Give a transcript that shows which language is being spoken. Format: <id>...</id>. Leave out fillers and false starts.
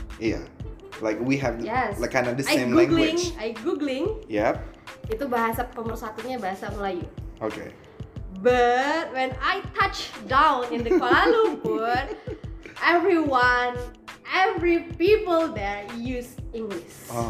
<en>Yeah, like we have like kind of the same language. I googling. Yep.</en> <id>Itu bahasa pemersatunya bahasa Melayu.</id> <en>Okay. But when I touch down in the Kuala Lumpur, every people there use English.</en>